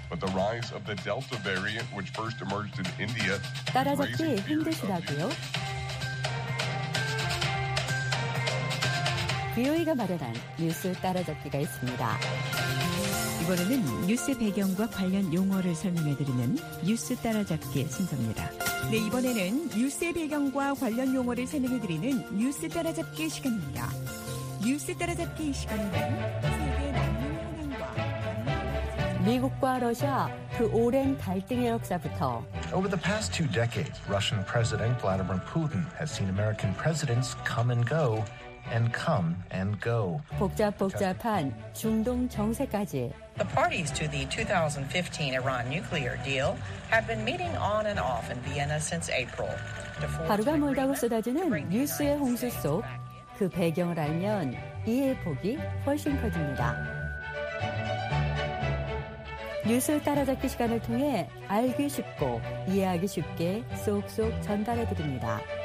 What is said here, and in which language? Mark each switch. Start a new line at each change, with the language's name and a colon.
English: But the rise of the Delta variant, which first emerged in India,
Korean: 따라잡기 힘드시다고요? 비오이가 마련한 뉴스 따라잡기가 있습니다. 이번에는 뉴스 배경과 관련 용어를 설명해드리는 뉴스 따라잡기 순서입니다. 네, 이번에는 뉴스의 배경과 관련 용어를 설명해드리는 뉴스 따라잡기 시간입니다. 뉴스 따라잡기 시간은 세계 남녀의 현황과 미국과 러시아 그 오랜 갈등의 역사부터
English: Over the past two decades, Russian President Vladimir Putin has seen American presidents come and go and come and go.
Korean: 복잡복잡한 중동 정세까지
English: The parties to the 2015 Iran nuclear deal have been meeting on and off in Vienna since April.
Korean: 하루가 멀다고 쏟아지는 뉴스의 홍수 속 그 배경을 알면 이해 폭이 훨씬 커집니다. 뉴스 따라잡기 시간을 통해 알기 쉽고 이해하기 쉽게 쏙쏙 전달해 드립니다.